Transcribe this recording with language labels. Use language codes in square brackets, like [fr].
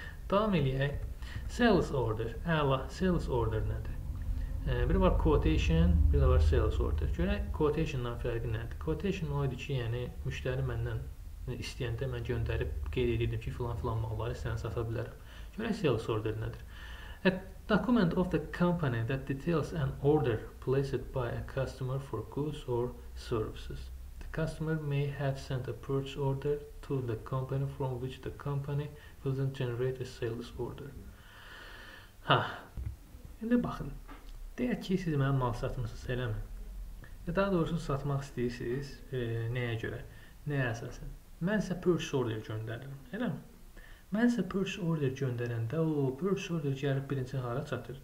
[az] Davam edək. Sales order. Əla, sales order nədir? Bir var quotation, bir var sales order. Görək quotationdan fərqi nədir? Quotation o idi ki, yəni müştəri məndən istəyəndə mən göndərib qeyd edirdim ki, filan-filan malları sənə sata bilərəm. Görək sales order nədir? [en] A document of the company that details an order placed by a customer for goods or services. The customer may have sent a purchase order to the company from which the company doesn't generate a sales order. [az] Ha. İndi baxın. Deyək ki, siz mənə mal satmışsınız, eləmi? Daha doğrusu satmaq istəyirsiniz nəyə görə? Nəyə əsasən? Mən sizə purchase order göndərirəm, eləmi? Mən sizə purchase order göndərəndə o purchase order gəlib birinci hara çatır?